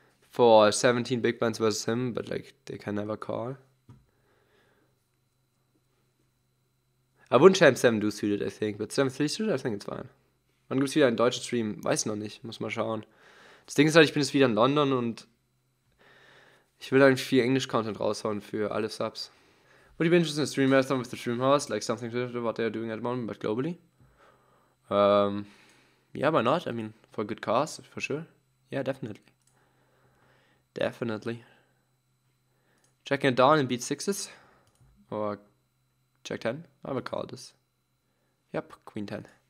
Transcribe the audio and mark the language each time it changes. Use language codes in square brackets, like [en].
[en] For 17 big blinds versus him, but like, they can never call. I wouldn't champ 7-2 suited, I think, but 7-3 suited, I think it's fine. [de] Wann gibt's wieder einen deutschen Stream? Weiß noch nicht, muss mal schauen. Das Ding ist halt, ich bin jetzt wieder in London und... Ich will eigentlich viel Englisch-Content raushauen für alle Subs. [en] Would you be interested in a stream marathon with the stream host? Like something similar to what they are doing at the moment, but globally? Yeah, why not? I mean, for a good cause, for sure. Yeah, definitely. Definitely. Checking it down and beat sixes? Or check 10? I would call this. Yep, queen 10.